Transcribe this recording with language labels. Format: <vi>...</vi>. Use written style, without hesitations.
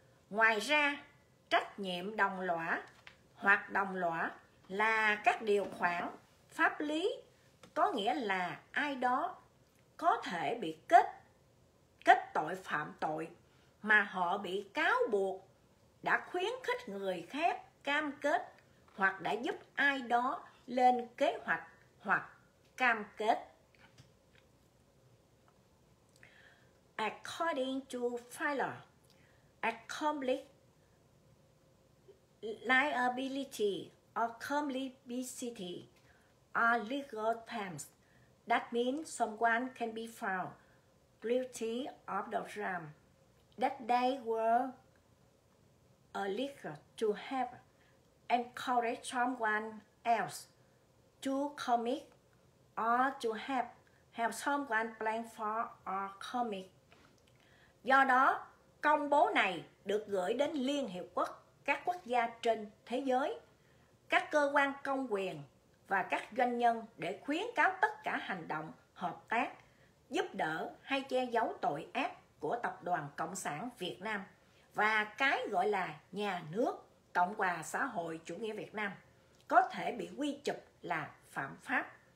<vi>Ngoài ra, trách nhiệm đồng lõa hoặc đồng lõa là các điều khoản pháp lý, có nghĩa là ai đó có thể bị kết tội phạm tội mà họ bị cáo buộc đã khuyến khích người khác cam kết hoặc đã giúp ai đó lên kế hoạch hoặc cam kết.</vi> <en>According to filer, accomplice liability or complicity are legal terms that mean someone can be found guilty of the crime that they were alleged to have encouraged someone else to commit or to have someone plan for or commit.</en> <vi>Do đó, công bố này được gửi đến Liên Hiệp Quốc, các quốc gia trên thế giới, các cơ quan công quyền và các doanh nhân để khuyến cáo tất cả hành động, hợp tác, giúp đỡ hay che giấu tội ác của Tập đoàn Cộng sản Việt Nam và cái gọi là nhà nước Cộng hòa Xã hội Chủ nghĩa Việt Nam có thể bị quy chụp là phạm pháp.</vi>